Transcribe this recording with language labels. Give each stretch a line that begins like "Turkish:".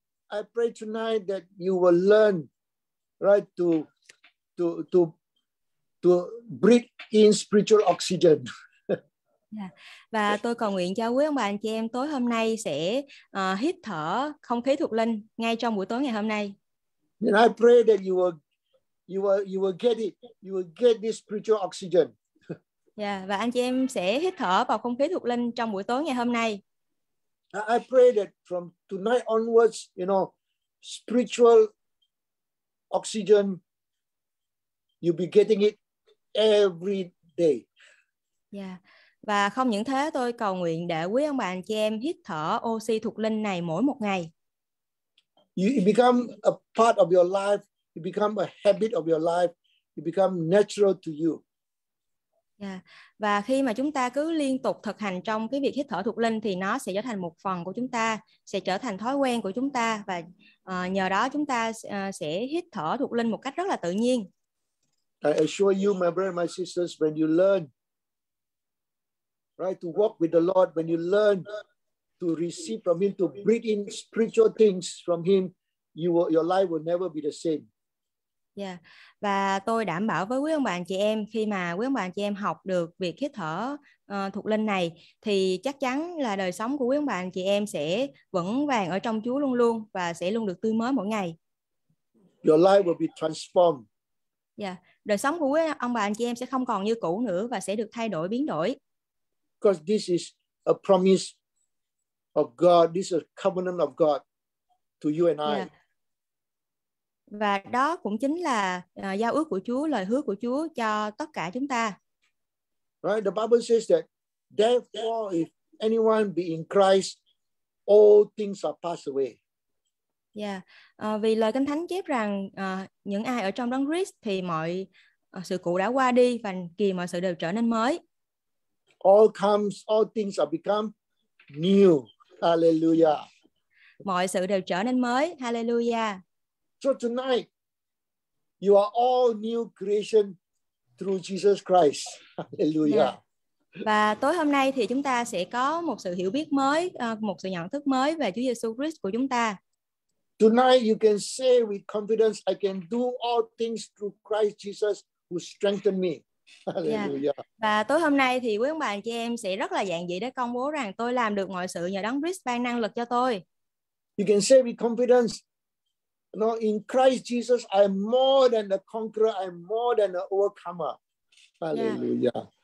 English: I pray tonight that you will learn right to breathe in spiritual oxygen. Yeah.
Vietnamese: Và tôi cầu nguyện cho quý ông bà anh chị em tối hôm nay sẽ hít thở không khí thuộc linh ngay trong buổi tối ngày hôm nay.
English: And I pray that you will get this spiritual oxygen.
Vietnamese: Yeah, và anh chị em sẽ hít thở vào không khí thuộc linh trong buổi tối ngày hôm nay.
English: I pray that from tonight onwards, you know, spiritual oxygen, you'll be getting it every day. Yeah.
Vietnamese: Và không những thế, tôi cầu nguyện để quý ông bà anh chị em hít thở oxy thuộc linh này mỗi một ngày.
English: It become a part of your life. It become a habit of your life. It become natural to you. Yeah.
Vietnamese: Và khi mà chúng ta cứ liên tục thực hành trong cái việc hít thở thuộc linh thì nó sẽ trở thành một phần của chúng ta, sẽ trở thành thói quen của chúng ta và nhờ đó chúng ta sẽ hít thở thuộc linh một cách rất là tự nhiên.
English: I assure you, my brothers and my sisters, when you learn right to walk with the Lord, when you learn to receive from Him, to breathe in spiritual things from Him, your life will never be the same. Yeah.
Vietnamese: Và tôi đảm bảo với quý ông bà anh chị em, khi mà quý ông bà anh chị em học được việc hít thở thuộc linh này, thì chắc chắn là đời sống của quý ông bà anh chị em sẽ vững vàng ở trong Chúa luôn luôn và sẽ luôn được tươi mới mỗi ngày.
English: Your life will be transformed. Yeah.
Vietnamese: Đời sống của quý ông bà anh chị em sẽ không còn như cũ nữa và sẽ được thay đổi, biến đổi.
English: Because this is a promise of God. This is a covenant of God to you and I. Yeah.
Vietnamese: Và đó cũng chính là giao ước của Chúa, lời hứa của Chúa cho tất cả chúng ta.
English: Right, the Bible says that therefore if anyone be in Christ, all things are passed away.
Vietnamese: Yeah, vì lời Kinh Thánh chép rằng những ai ở trong Đấng Christ thì mọi sự cũ đã qua đi và kìa mọi sự đều trở nên mới.
English: All things are become new. Hallelujah.
Vietnamese: Mọi sự đều trở nên mới. Hallelujah.
English: So tonight, you are all new creation through Jesus Christ. Hallelujah. Yeah.
Vietnamese: Và tối hôm nay thì chúng ta sẽ có một sự hiểu biết mới, một sự nhận thức mới về Chúa Giêsu Christ của chúng ta.
English: Tonight you can say with confidence, I can do all things through Christ Jesus who strengthened me. Hallelujah. Yeah.
Vietnamese: Và tối hôm nay thì quý ông bà anh chị em sẽ rất là dạn dĩ để công bố rằng tôi làm được mọi sự nhờ Đấng Christ ban năng lực cho tôi.
English: You can say with confidence, no, in Christ Jesus, I am more than a conqueror. I am more than an overcomer. Hallelujah. Yeah.